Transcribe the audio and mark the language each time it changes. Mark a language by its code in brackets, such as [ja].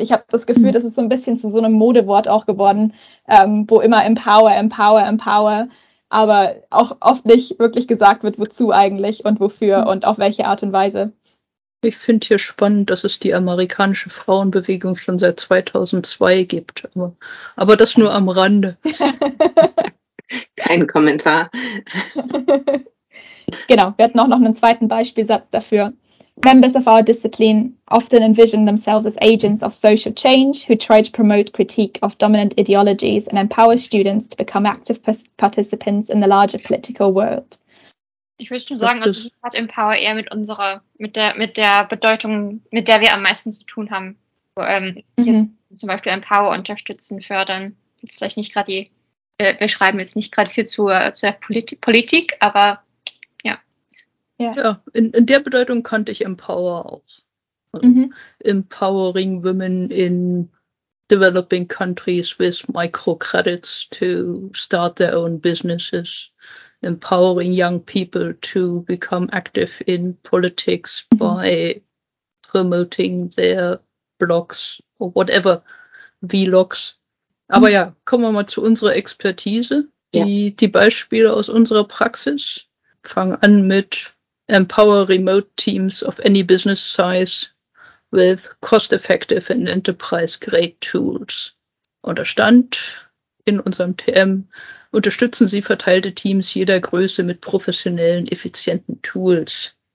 [de] Ich habe das Gefühl, das ist so ein bisschen zu so einem Modewort auch geworden, wo immer Empower, Empower, Empower, aber auch oft nicht wirklich gesagt wird, wozu eigentlich und wofür und auf welche Art und Weise. Ich finde hier spannend, dass es die amerikanische Frauenbewegung schon seit 2002 gibt. Aber das nur am Rande. Kein Kommentar. Genau, wir hatten auch noch einen zweiten Beispielsatz dafür. [en] Members of our discipline often envision themselves as agents of social change who try to promote critique of dominant ideologies and empower students to become active participants in the larger political world. [de] Ich würde schon sagen, also sie hat Empower eher mit unserer, mit der Bedeutung, mit der wir am meisten zu tun haben, jetzt zum Beispiel empower, unterstützen, fördern. Jetzt vielleicht nicht gerade die, wir schreiben jetzt nicht gerade viel zur Politik, aber ja. Ja, ja, in der Bedeutung kannte ich empower auch. Mhm. [en] Empowering women in developing countries with microcredits to start their own businesses. Empowering young people to become active in politics by promoting their blogs or whatever, Vlogs. [de] Aber ja, kommen wir mal zu unserer Expertise. Die Beispiele aus unserer Praxis fangen an mit [en] empower remote teams of any business size with cost-effective and enterprise-grade tools. [de] Und da stand in unserem TM, unterstützen Sie verteilte Teams jeder Größe mit professionellen, effizienten Tools.